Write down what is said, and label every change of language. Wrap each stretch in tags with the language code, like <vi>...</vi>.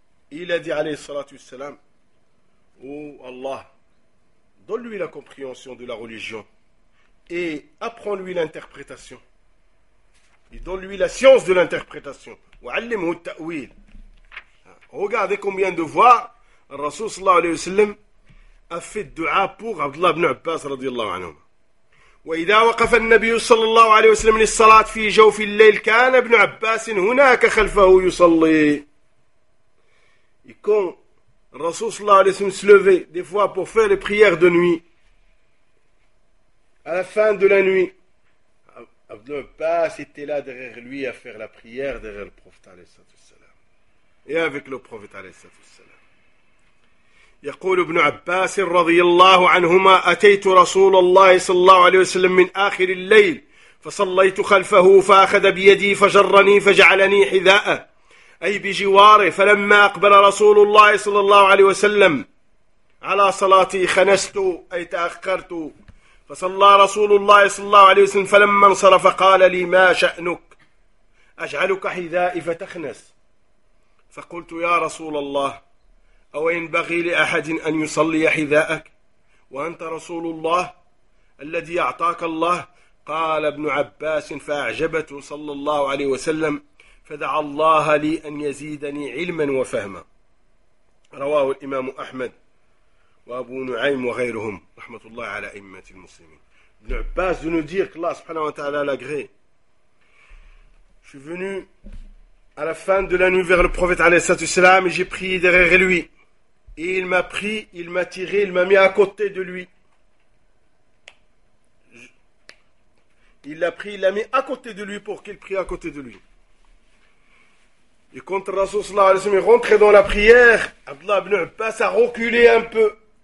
<fr>Il a dit,</fr> <ar>alayhi salatu wassalam,</ar> <fr>oh Allah, donne-lui la compréhension de la religion et apprends-lui l'interprétation. Et donne-lui la science de l'interprétation.</fr> <ar>Wa allimhu ta'wil.</ar> <fr>Regardez combien de voix le Rasoul</fr> <ar>sallallahu alayhi wa sallam</ar> <fr>a fait dua pour Abdullah ibn Abbas</fr> <ar>radiyallahu anhu. وإذا وقف النبي صلى الله عليه وسلم للصلاة في جوف الليل كان ابن عباس هناك خلفه يصلي.</ar> <fr>Quand le Rasoul</fr> <ar>sallallahu alayhi wa sallam</ar> <fr>se levait des fois pour faire les prières de nuit, à la fin de la nuit, Ibn Abbas était là derrière lui à faire la prière derrière le prophète</fr> <ar>alayhi salatu wassalam.</ar> <fr>Et avec le prophète</fr> <ar>alayhi salatu wassalam. يقول ابن عباس رضي الله عنهما أتيت رسول الله صلى الله عليه وسلم من آخر الليل فصليت خلفه فأخذ بيدي فجرني فجعلني حذاء أي بجواره فلما أقبل رسول الله صلى الله عليه وسلم على صلاتي خنست أي تأخرت فصلى رسول الله صلى الله عليه وسلم فلما انصرف قال لي ما شأنك أجعلك حذائي فتخنس فقلت يا رسول الله أو ينبغي لأحد أن يصلي حذاءك وأنت رسول الله الذي أعطاك الله قال ابن عباس فأعجبته صلى الله عليه وسلم فدعا الله لي أن يزيدني علما وفهما رواه الإمام أحمد وأبو نعيم وغيرهم رحمة الله على أئمة المسلمين ابن عباس</ar> <fr>de nous dire que</fr> <ar>الله سبحانه وتعالى</ar> <fr>l'agré. Je suis venu à la fin de la nuit vers le prophète</fr> <ar>عليه الصلاة والسلام</ar> <fr>et j'ai prié derrière lui. Et il m'a pris, il m'a tiré, il m'a mis à côté de lui. Il l'a pris, il l'a mis à côté de lui pour qu'il prie à côté de lui. Et quand Rasoul</fr> <ar>sallallahu alayhi wa sallam</ar> <fr>est rentré dans la prière, Abdullah ibn Abbas a reculé un peu.</fr>